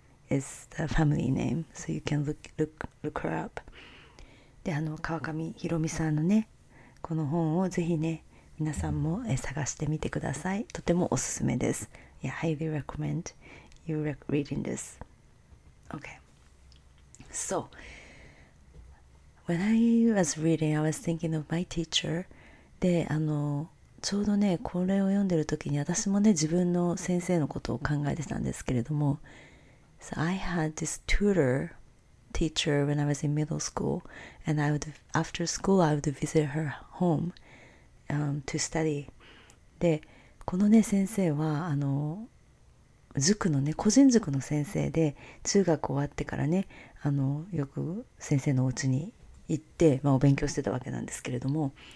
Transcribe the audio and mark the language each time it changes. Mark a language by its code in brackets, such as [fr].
[en] is the family name, so you can look her up. [ja] で、川上ひろみさんのね、この本をぜひね、皆さんも探してみてください。とてもおすすめです。 [en] I highly recommend you reading this. Okay. So, when I was reading, I was thinking of my teacher. [ja] で、ちょうどね、これを読んでる時に私もね、自分の先生のことを考えてたんですけれども、 [en] So I had this tutor, teacher when I was in middle school, and after school I would visit her home, to study. [ja] で、このね先生は塾のね個人塾の先生で、中学終わってからねよく先生のお家に行って、お勉強してたわけなんですけれども、